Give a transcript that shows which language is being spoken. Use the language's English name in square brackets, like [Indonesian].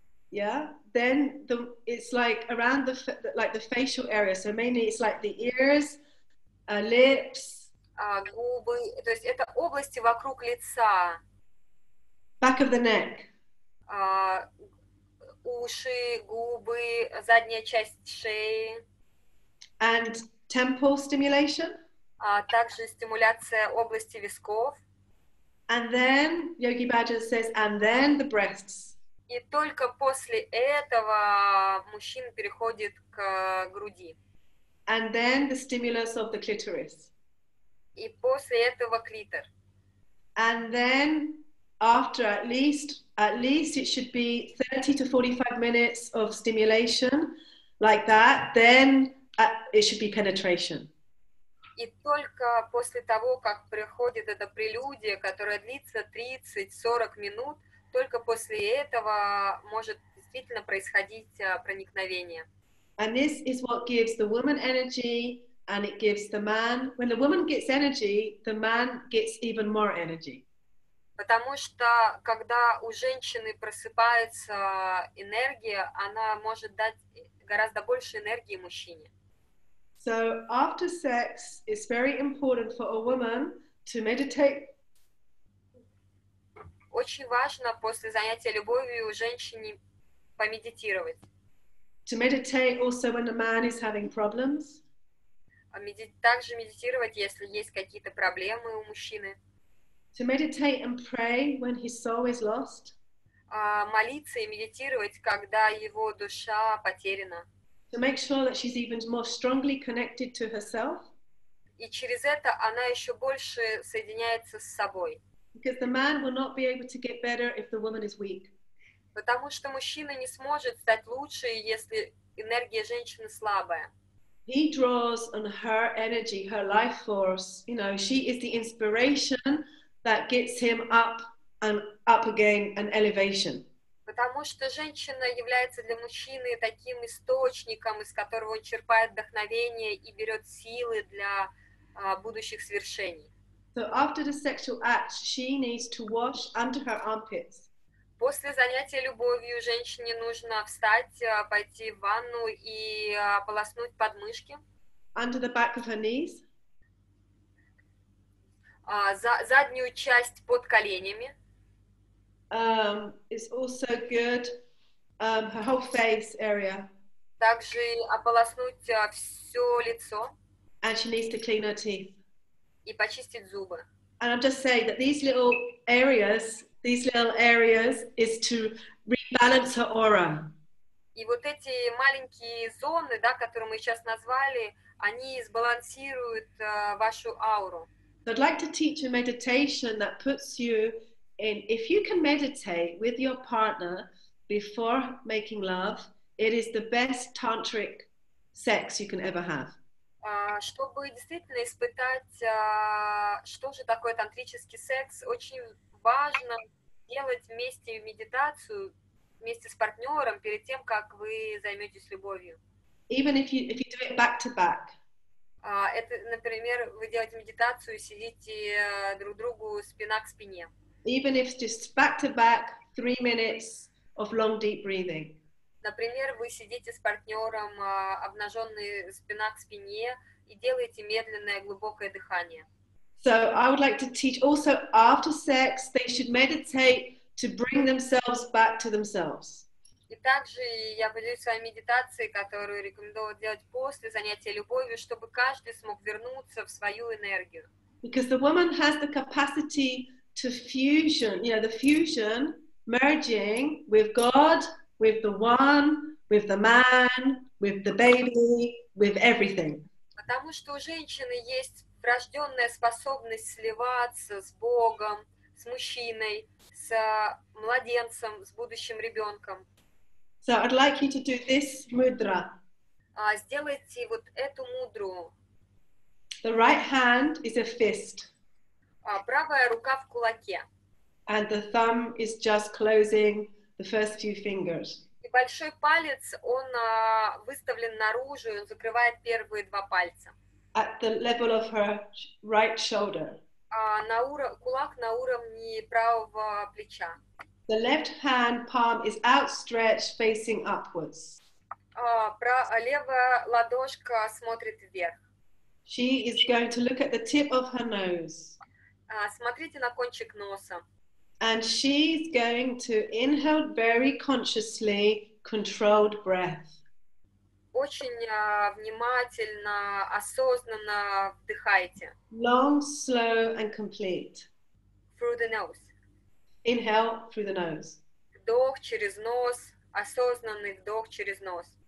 [English] Yeah, then it's like around the facial area. So mainly it's like the ears, lips. [Russian] Губы, то есть это области вокруг лица. [English] Back of the neck. [Russian] Уши, губы, задняя часть шеи. [English] And temple stimulation. [Russian] Также стимуляция области висков. [English] And then, Yogi Bhajan says, and then the breasts. [Russian] И только после этого мужчина переходит к груди. [English] And then the stimulus of the clitoris. [Russian] И после этого клитор. [English] And then after at least it should be 30 to 45 minutes of stimulation like that, then it should be penetration. [Russian] И только после того, как приходит эта прелюдия, которая длится 30-40 минут, только после этого может действительно происходить проникновение. [English] And this is what gives the woman energy, and it gives the man, when the woman gets energy, the man gets even more energy. [Russian] Потому что когда у женщины просыпается энергия, она может дать гораздо больше энергии мужчине. [English] So after sex, it's very important for a woman to meditate. [Russian] Очень важно после занятия любовью женщине помедитировать. [English] To meditate also when a man is having problems. [Russian] Также медитировать, если есть какие-то проблемы у мужчины. [English] To meditate and pray when his soul is lost. [Russian] Молиться и медитировать, когда его душа потеряна. [English] To make sure that she's even more strongly connected to herself. [Russian] И через это она еще больше соединяется с собой. [English] Because the man will not be able to get better if the woman is weak. [Russian] Потому что мужчина не сможет стать лучше, если энергия женщины слабая. [English] He draws on her energy, her life force. You know, she is the inspiration that gets him up and up again, an elevation. [Russian] Потому что женщина является для мужчины таким источником, из которого он черпает вдохновение и берет силы для будущих свершений. [English] So after the sexual act, she needs to wash under her armpits. [Russian] После занятия любовью женщине нужно встать, пойти в ванну и полоснуть подмышки. [English] Under the back of her knees. [Russian] Заднюю часть под коленями. [English] It's also good, her whole face area. [Russian] Также ополоснуть все лицо. [English] And she needs to clean her teeth. [Russian] И почистить зубы. [English] And I'm just saying that these little areas is to rebalance her aura. [Russian] И вот эти маленькие зоны, да, которые мы сейчас назвали, они сбалансируют вашу ауру. [English] I'd like to teach you meditation that puts you in, if you can meditate with your partner before making love, it is the best tantric sex you can ever have. [Russian] Чтобы действительно испытать, что же такое тантрический секс, очень важно делать вместе медитацию, вместе с партнером, перед тем, как вы займетесь любовью. [English] Even if you do it back-to-back. [Russian] Это, например, вы делаете медитацию, сидите друг другу спина к спине. [English] Even if just back-to-back, 3 minutes of long, deep breathing. [Russian] Например, вы сидите с партнером, обнаженный спина к спине, и делаете медленное глубокое дыхание. [English] So I would like to teach also after sex they should meditate to bring themselves back to themselves. [Russian] И также я поделюсь с вами медитацией, которую рекомендую делать после занятия любовью, чтобы каждый смог вернуться в свою энергию. [English] Because the woman has the capacity to fusion, you know, the fusion, merging with God, with the one, with the man, with the baby, with everything. [Russian] Потому что у женщины есть врожденная способность сливаться с Богом, с мужчиной, с младенцем, с будущим ребенком. [English] So I'd like you to do this mudra. [Russian] Сделайте вот эту мудру. [English] The right hand is a fist. [Russian] Правая рука в кулаке. [English] And the thumb is just closing the first few fingers. [Russian] И большой палец, он выставлен наружу, и он закрывает первые два пальца. [English] At the level of her right shoulder. [Russian] Кулак на уровне правого плеча. [English] The left hand palm is outstretched facing upwards. [Russian] Левая ладошка смотрит вверх. [English] She is going to look at the tip of her nose. [Russian] Смотрите на кончик носа. [English] And she's going to inhale very consciously, controlled breath. [Russian] Очень внимательно, осознанно вдыхайте. [English] Long, slow, and complete. Through the nose. Inhale through the nose. [Russian] Вдох через нос, осознанный вдох через нос.